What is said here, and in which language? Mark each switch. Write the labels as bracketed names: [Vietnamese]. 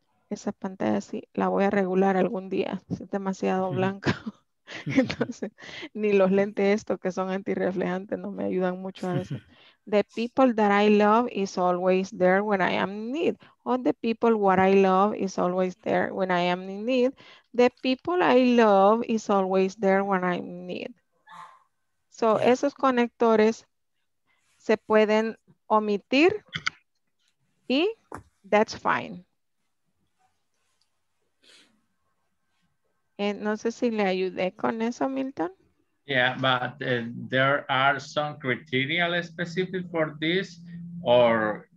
[Spanish] Esa pantalla sí la voy a regular algún día. Es demasiado blanca. Entonces, ni los lentes estos que son antirreflejantes no me ayudan mucho a eso. [English] The people that I love is always there when I am in need. Or the people what I love is always there when I am in need. The people I love is always there when I'm in need. [Spanish] So, esos conectores se pueden omitir y [English] that's fine. [Spanish] No sé si le ayudé con eso, Milton. [English] Yeah, but there are some criteria specific for this, or